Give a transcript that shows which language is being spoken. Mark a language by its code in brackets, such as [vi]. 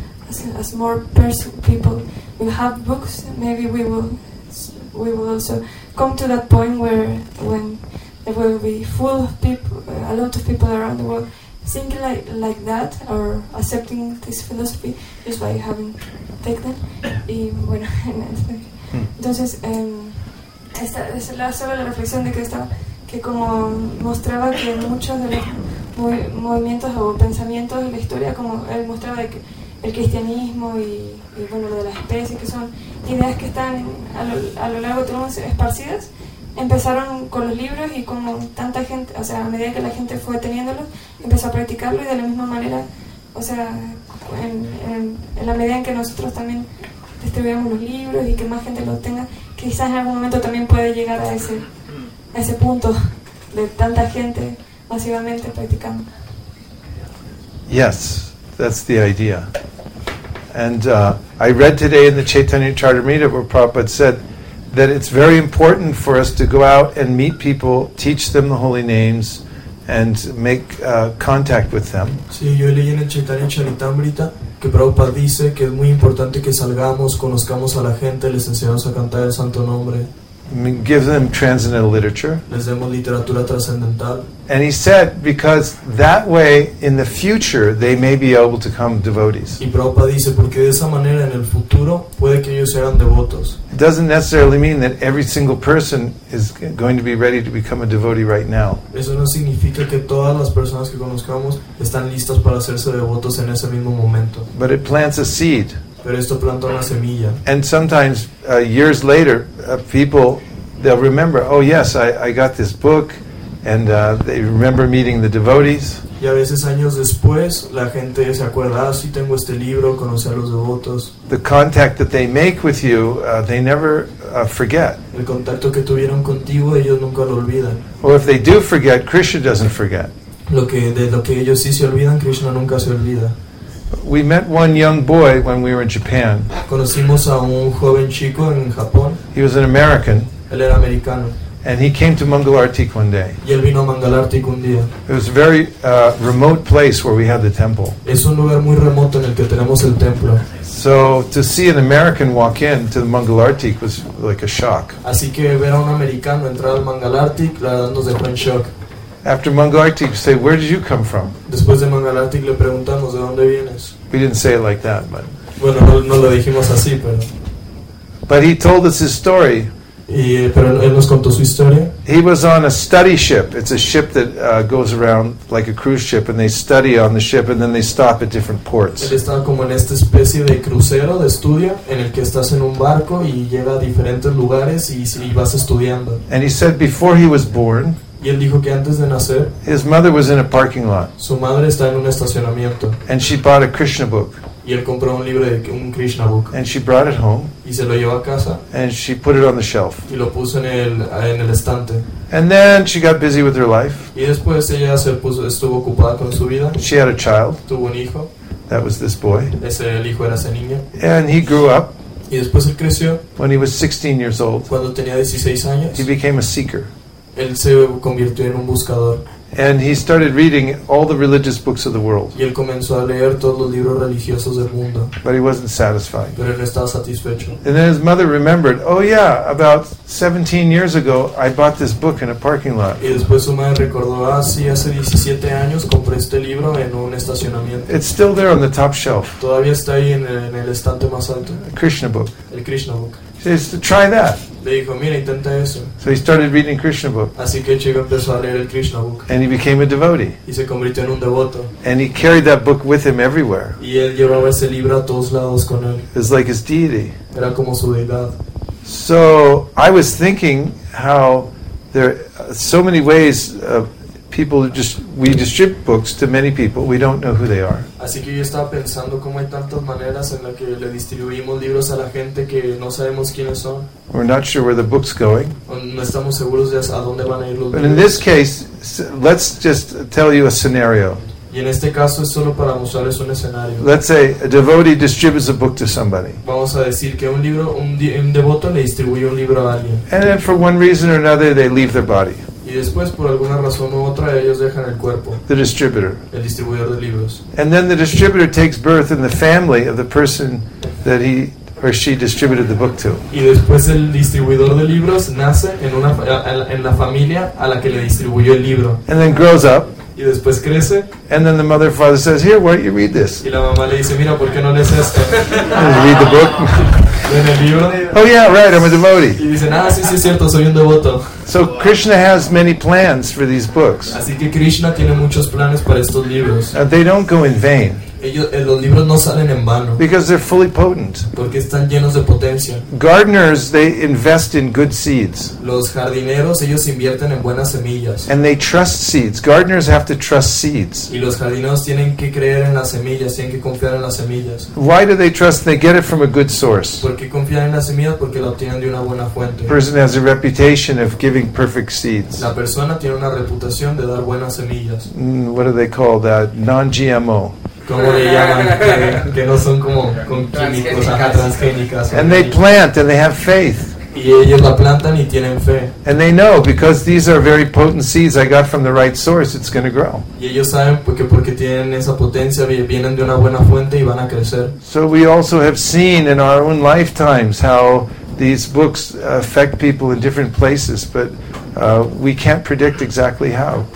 [en] As more people will have books, maybe we will also come to that point when there will be full of people, a lot of people around the world thinking like that or accepting this philosophy just by having taken them. [es] Entonces, esa es la sola reflexión de que estaba, que como mostraba que muchos de los movimientos o pensamientos de la historia, como él mostraba de que el cristianismo y bueno, lo de las especies, que son ideas que están a lo largo de todo el mundo esparcidas, empezaron con los libros y como tanta gente, o sea, a medida que la gente fue teniéndolos, empezó a practicarlo y de la misma manera, o sea, en la medida en que nosotros también distribuimos los libros y que más gente los tenga, quizás en algún momento también puede llegar a ese punto de tanta gente masivamente practicando. [en] Yes. That's the idea. And I read today in the Chaitanya Charitamrita where Prabhupada said that it's very important for us to go out and meet people, teach them the holy names, and make contact with them. [es] Sí, yo leí en el Chaitanya Charitamrita que Prabhupada dice que es muy importante que salgamos, conozcamos a la gente, les enseñamos a cantar el santo nombre. [en] Give them transcendental literature. [es] Les demos literatura transcendental. [en] And he said, because that way, in the future, they may be able to become devotees. [es] Y Prabhupada dice, porque de esa manera, en el futuro, puede que ellos sean devotos. [en] It doesn't necessarily mean that every single person is going to be ready to become a devotee right now. [es] Eso no significa que todas las personas que conozcamos están listas para hacerse devotos en ese mismo momento. [en] But it plants a seed. [es] Pero esto planta una semilla. [en] And sometimes, years later, people, they'll remember, oh yes, I got this book, and they remember meeting the devotees. [es] Y a veces años después, la gente se acuerda, ah, sí tengo este libro, conocí a los devotos. [en] The contact that they make with you, they never forget. [es] El contacto que tuvieron contigo, ellos nunca lo olvidan. [en] Or if they do forget, Krishna doesn't forget. [es] Lo que ellos sí se olvidan, Krishna nunca se olvida. [en] We met one young boy when we were in Japan. [es] Conocimos a un joven chico en Japón. [en] He was an American. [es] Él era americano. [en] And he came to Mangalartik one day. [es] Y él vino a Mangalartik un día. [en] It was a very remote place where we had the temple. [es] Es un lugar muy remoto en el que tenemos el templo. [en] So to see an American walk in to the Mangalartik was like a shock. [es] Así que ver a un americano entrar al Mangalartik, la verdad nos dejó en shock. [en] After Mangalartik, you say, where did you come from? [es] Después de Mangalartik, le preguntamos, ¿de dónde vienes? [en] We didn't say it like that, but... [es] Bueno, no lo dijimos así, pero... [en] But he told us his story. [es] Pero él nos contó su historia. [en] He was on a study ship. It's a ship that goes around like a cruise ship, and they study on the ship, and then they stop at different ports. [es] Él estaba como en esta especie de crucero de estudio, en el que estás en un barco, y llega a diferentes lugares, y vas estudiando. [en] And he said, before he was born... [es] Y él dijo que antes de nacer, [en] his mother was in a parking lot. [es] Su madre está en un estacionamiento. [en] And she bought a Krishna book. [es] Y él compró un libro de un Krishna book. [en] And she brought it home. [es] Y se lo llevó a casa. [en] And she put it on the shelf. [es] Y lo puso en el estante. [en] And then she got busy with her life. [es] Y después ella estuvo ocupada con su vida. [en] She had a child. [es] Tuvo un hijo. [en] That was this boy. [es] El hijo era ese niño. [en] And he grew up. [es] Y después él creció. [en] When he was 16 years old. [es] Cuando tenía 16 años. [en] He became a seeker. [es] él se convirtió en un buscador. [en] And he started reading all the religious books of the world. [es] Y él comenzó a leer todos los libros religiosos del mundo. [en] But he wasn't satisfied. [es] Pero él no estaba satisfecho. [en] And then his mother remembered, oh yeah, about 17 years ago, I bought this book in a parking lot. [es] Y después su madre recordó, ah, sí, hace 17 años compré este libro en un estacionamiento. [en] It's still there on the top shelf. [es] Todavía está ahí en el estante más alto. [en] A Krishna book. [es] El Krishna book. [en] He says, try that. [es] Le dijo, mira, intenta eso. [en] So he started reading Krishna book. [es] Así que chico empezó a leer el Krishna book. [en] And he became a devotee. [es] Y se convirtió en un devoto. [en] And he carried that book with him everywhere. [es] Y él llevaba ese libro a todos lados con él. [en] It's like his deity. [es] Era como su deidad. [en] So I was thinking how there are so many ways of people we distribute books to many people, we don't know who they are. [es] Así que yo estaba pensando cómo hay tantas maneras en las que le distribuimos libros a la gente que no sabemos quiénes son. [en] We're not sure where the book's going. [es] No estamos seguros de a dónde van a ir los libros. [en] But in this case, let's just tell you a scenario. [es] Y en este caso es solo para mostrarles un escenario. [en] Let's say a devotee distributes a book to somebody. [es] Vamos a decir que un devoto le distribuye un libro a alguien. [en] And then for one reason or another, they leave their body. [es] Y después, por alguna razón u otra, ellos dejan el cuerpo. [en] The distributor. [es] El distribuidor de libros. [en] And then the distributor takes birth in the family of the person that he or she distributed the book to. [es] Y después el distribuidor de libros nace en la familia a la que le distribuyó el libro. [en] And then grows up. [es] Y después crece. [en] And then the mother or father says, here, why don't you read this? [es] Y la mamá le dice, mira, ¿por qué no lees esto? [en] And you read the book. Oh yeah, right, I'm a devotee. [es] Y dicen, ah, sí, sí, es cierto, soy un devoto. [en] So Krishna has many plans for these books. [es] Así que Krishna tiene muchos planes para estos libros. [en] They don't go in vain. [es] Los libros no salen en vano. [en] Because they're fully potent. [es] Porque están llenos de potencia. [en] Gardeners, they invest in good seeds. [es] Los jardineros, ellos invierten en buenas semillas. [en] And they trust seeds. Gardeners have to trust seeds. [es] Y los jardineros tienen que creer en las semillas, tienen que confiar en las semillas. [en] Why do they trust? They get it from a good source. [es] Porque confían en las semillas porque la obtienen de una buena fuente. [en] The person has a reputation of giving perfect seeds. [es] La persona tiene una reputación de dar buenas semillas. [en] What do they call that? Non-GMO. [es] ¿Cómo le llaman? Que no son como con químicos, ajá, transgénicas. [en] And they plant and they have faith. [es] Y ellos la plantan y tienen fe. [en] And they know because these are very potent seeds I got from the right source, it's going to grow. [es] Y ellos saben porque tienen esa potencia, vienen de una buena fuente y van a crecer. [en] So we also have seen in our own lifetimes how these books affect people in different places, but we can't predict exactly how.